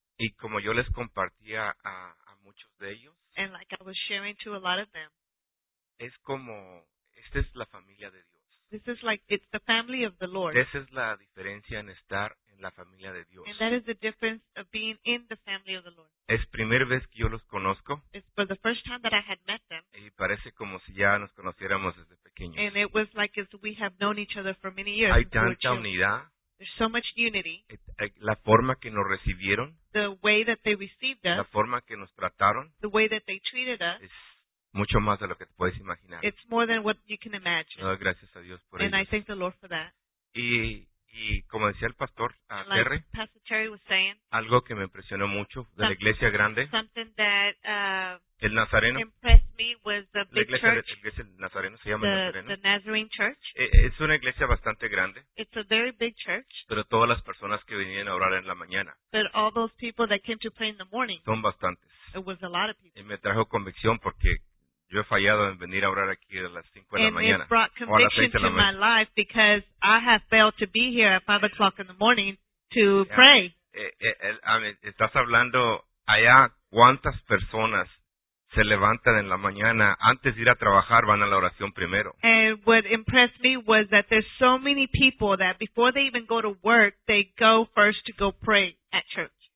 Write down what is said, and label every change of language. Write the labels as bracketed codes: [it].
[es] Y como yo les compartía a muchos de ellos. [en] And like I was sharing to a lot of them. [es] Es como, esta es la familia de Dios. [en] This is like, it's the family of the Lord. [es] Esa es la diferencia en estar en la familia de Dios. [en] And that is the difference of being in the family of the Lord. [es] Es primera vez que yo los conozco. [en] It's for the first time that I had met them. [es] Y parece como si ya nos conociéramos desde pequeños. [en] And it was like as we have known each other for many years. [es] Hay tanta unidad. [en] There's so much unity. [es] La forma que nos recibieron. [en] The way that they received us. [es] La forma que nos trataron. [en] The way that they treated us. [es] Es mucho más de lo que te puedes imaginar. [en] It's more than what you can imagine. [es] No, gracias a Dios por eso. [en] And [es] ellos. [en] I thank the Lord for that. [es] Y como decía el pastor, [en] like Pastor Terry was saying, [es] algo que me impresionó mucho de la iglesia grande. [en] Something that [es] el Nazareno. [en] Impressed me was the big [es] iglesia, [en] church. [es] La iglesia del Nazareno se llama Nazareno. [en] The Nazarene Church. [es] Es una iglesia bastante grande. [en] It's a very big church. [es] Pero todas las personas que venían a orar en la mañana. [en] But all those people that came to pray in the morning. [es] Son bastantes. [en] It was a lot of people. [es] Y me trajo convicción porque yo he fallado en venir a orar aquí a las 5 de la mañana. [en] And it brought conviction to my life because I have failed to be here at 5:00 in the morning to pray. [es] Estás hablando allá cuántas personas se levantan en la mañana, antes de ir a trabajar, van a la oración primero. [en] And what impressed me was that there's so many people that before they even go to work, they go first to go pray at church.